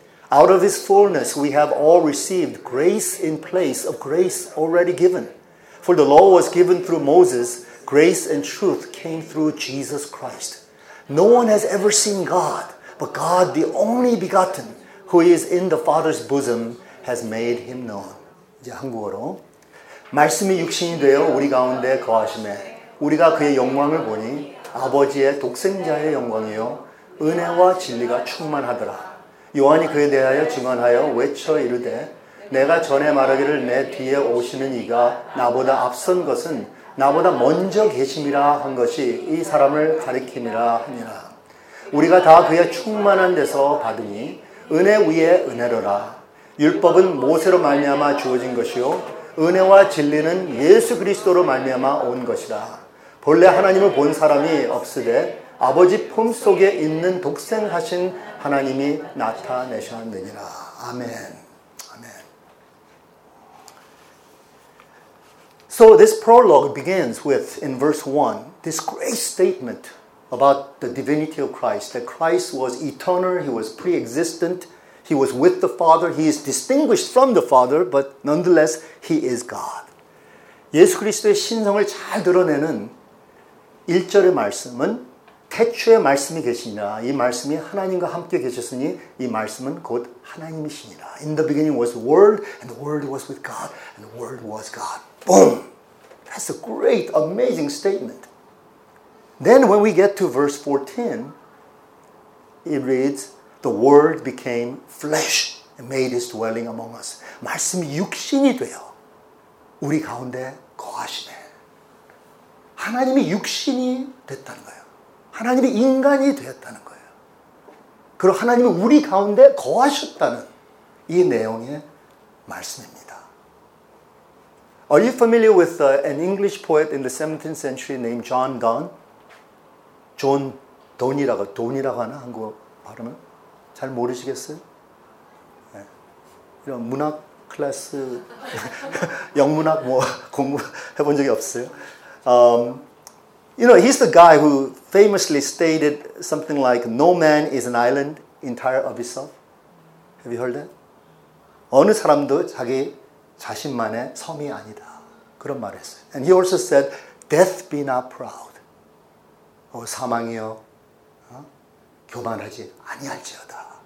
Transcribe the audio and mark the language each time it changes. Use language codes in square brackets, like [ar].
[en] Out of His fullness we have all received grace in place of grace already given. For the law was given through Moses, grace and truth came through Jesus Christ. No one has ever seen God, but God, the only begotten, who is in the Father's bosom, has made Him known. [ko] 이제 한국어로. 말씀이 육신이 되어 우리 가운데 거하심에 우리가 그의 영광을 보니 아버지의 독생자의 영광이요 은혜와 진리가 충만하더라. 요한이 그에 대하여 증언하여 외쳐 이르되 내가 전에 말하기를 내 뒤에 오시는 이가 나보다 앞선 것은 나보다 먼저 계심이라 한 것이 이 사람을 가리킴이라 하니라. 우리가 다 그의 충만한 데서 받으니 은혜 위에 은혜로라. 율법은 모세로 말미암아 주어진 것이요 은혜와 진리는 예수 그리스도로 말미암아 온 것이라. 본래 하나님을 본 사람이 없으되 아버지 품속에 있는 독생하신 하나님이 나타내셨느니라. 아멘. Amen. [en] So this prologue begins with, in verse 1, this great statement about the divinity of Christ, that Christ was eternal, He was pre-existent, He was with the Father, He is distinguished from the Father, but nonetheless, He is God. [ko] 예수 그리스도의 신성을 잘 드러내는 1절의 말씀은 태초에 말씀이 계시니라. 이 말씀이 하나님과 함께 계셨으니 이 말씀은 곧 하나님이시니라. [en] In the beginning was the Word, and the Word was with God, and the Word was God. Boom! That's a great, amazing statement. Then when we get to verse 14, it reads, The Word became flesh and made His dwelling among us. [ko] 말씀이 육신이 되어 우리 가운데 거하시네. 하나님이 육신이 됐다는 거예요. 하나님이 인간이 되었다는 거예요. 그리고 하나님이 우리 가운데 거하셨다는 이 내용의 말씀입니다. [en] Are you familiar with an English poet in the 17th century named John Donne? [ko] John Donne이라고, Donne이라고 하나? 한국어 발음은? 잘 모르시겠어요? 네. 이런 문학 클래스, 영문학 뭐 공부해본 적이 없어요. [en] You know, he's the guy who famously stated something like, No man is an island entire of himself. Have you heard that? [ko] 어느 사람도 자기 자신만의 섬이 아니다. 그런 말을 했어요. [en] And he also said, Death be not proud. [ko] 오, 사망이여, 교만하지 아니할지어다.